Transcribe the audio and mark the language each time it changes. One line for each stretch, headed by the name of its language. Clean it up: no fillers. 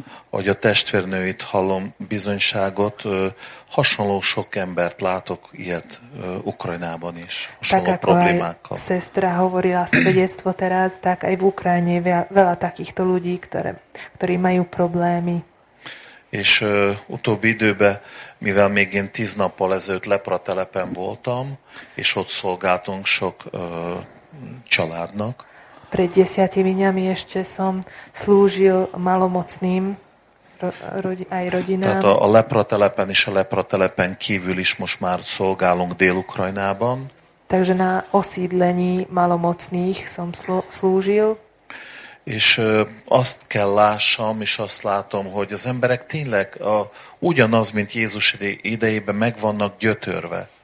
Hungarian: Hogy a testvérnőit hallom bizonyságot, hasonló sok embert látok ilyet Ukrajnában is, hasonló problémákkal.
Slovak: Tak ako aj sestra hovorila svedectvo teraz, tak aj v Ukrajine veľa takýchto ľudí, ktorí majú problémy.
Hungarian: És utóbbi időben, mivel még én 10 nappal ezelőtt Lepratelepen voltam, és ott szolgáltunk sok családnak.
Slovak: Pred 10 dňami ešte som slúžil malomocným aj rodinám.
Hungarian: Tehát a Lepratelepen és a Lepratelepen kívül is most már szolgálunk Dél-Ukrajnában.
Slovak: Takže na osídlení malomocných som slúžil.
Hungarian: És azt kell lássam, és azt látom, hogy az emberek tényleg ugyanaz, mint Jézus idejében meg vannak gyötörve.